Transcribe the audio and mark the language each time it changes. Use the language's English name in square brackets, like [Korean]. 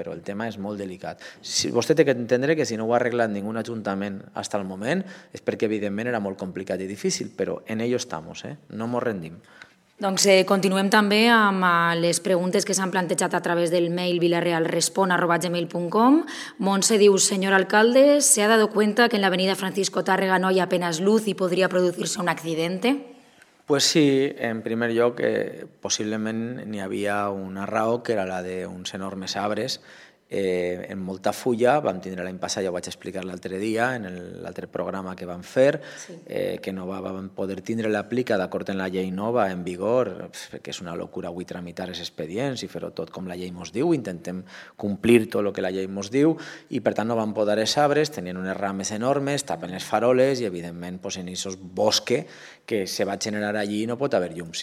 [Catalan] Però el tema és molt delicat. Si vostè té que entendre que si no ho ha arreglat ningú ajuntament hasta el moment és perquè evidentment era molt complicat i difícil, però [Spanish] en ello estamos, [Catalan] no mos rendim. Doncs continuem també amb les preguntes que s'han plantejat a través del mail villarrealrespon@gmail.com. Montse diu, senyor alcalde, [Spanish] ¿se ha dado cuenta que en la avenida Francisco Tárrega no hay apenas luz y podría producirse un accidente? [Catalan] Pues sí, en primer lloc, possiblement n'hi havia una raó que era la d'uns enormes arbres en molta fulla, vam tindre l'any passat, ja ho vaig explicar l'altre dia, en l'altre programa que vam fer, que no vam poder tindre l'aplica d'acord amb la llei nova en vigor, perquè és una locura avui tramitar els expedients i fer-ho tot com la llei mos diu, intentem complir tot el que la llei mos diu, i per tant no vam podar els arbres, tenien unes rames enormes, tapen els faroles i evidentment pues, en aquests bosques que se va generar allí no pot haver llum.